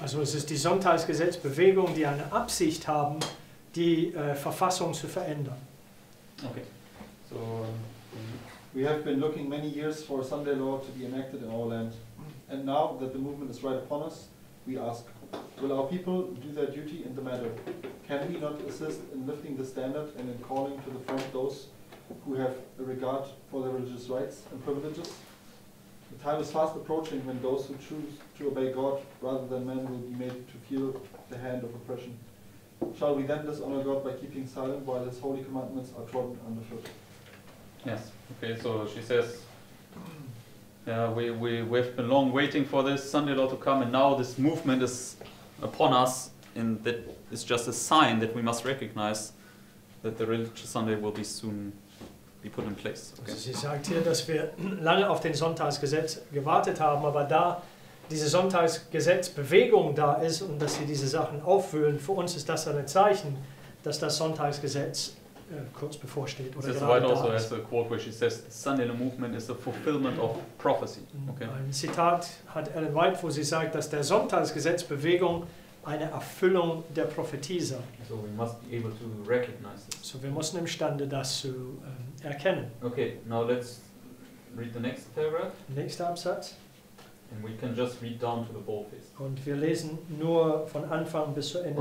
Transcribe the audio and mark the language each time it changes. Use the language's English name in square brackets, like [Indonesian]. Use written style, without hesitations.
[German] Also es ist die Sonntagsgesetzbewegung, die eine Absicht haben, die Verfassung zu verändern. Okay. [English] So we have been looking many years for Sunday Law to be enacted in our land, and now that the movement is right upon us, we ask. Will our people do their duty in the matter? Can we not assist in lifting the standard and in calling to the front those who have a regard for their religious rights and privileges? The time is fast approaching when those who choose to obey God rather than men will be made to feel the hand of oppression. Shall we then dishonor God by keeping silent while his holy commandments are trodden underfoot? Yes. Okay, so she says, we've been long waiting for this Sunday law to come, and now this movement is upon us, and that is just a sign that we must recognize that the religious Sunday will be soon be put in place. Okay. [German] Also sie sagt hier, dass wir lange auf den Sonntagsgesetz gewartet haben, aber da diese Sonntagsgesetzbewegung da ist und dass sie diese Sachen auffüllen, für uns ist das ein Zeichen, dass das Sonntagsgesetz kurz bevorsteht oder gerade da ist. [English] This is also a quote where she says, the Sunday movement is the fulfillment of prophecy. Okay. [German] Ein Zitat hat Ellen White, wo sie sagt, dass der Sonntagsgesetzbewegung eine Erfüllung der Prophetie sei. [English] So we must be able to recognize it. [German] So wir müssen imstande das zu erkennen. [English] Okay, now let's read the next paragraph. [German] Nächster Absatz. [English] And we can just read down to the boldface. [German] Und wir lesen nur von Anfang bis zu Ende.